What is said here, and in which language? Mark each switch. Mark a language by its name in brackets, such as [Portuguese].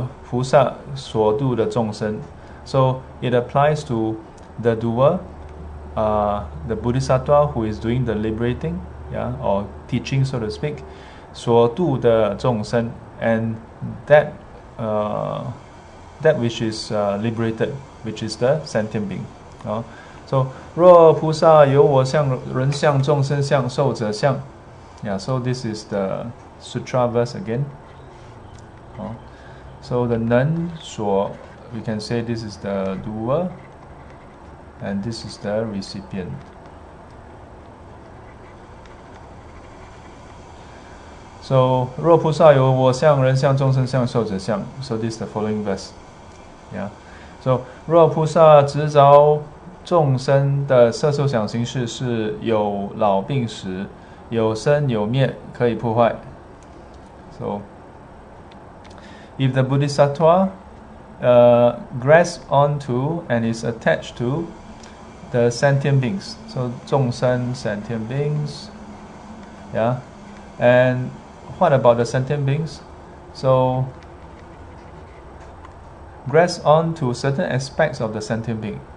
[Chinese] 通于能度的菩萨所度的众生. [English] So it applies to the doer, the bodhisattva who is doing the liberating, yeah, or teaching, so to speak, [Chinese] 所度的众生, [English] and that which is liberated, which is the sentient being. [Chinese] So 若菩萨有我相、人相、众生相、受者相, yeah. [English] So this is the sutra verse again. So the 能所, we can say this is the doer, and this is the recipient. [Chinese] So 若菩萨有我相、人相、众生相、受者相. [English] So this is the following verse. Yeah. [Chinese] So 若菩萨执着 众生的色受想行识是有老病死，有生有灭，可以破坏. [English] So, if the bodhisattva grasps onto and is attached to the sentient beings, so 众生 sentient beings, yeah. And what about the sentient beings? So, grasps onto certain aspects of the sentient being.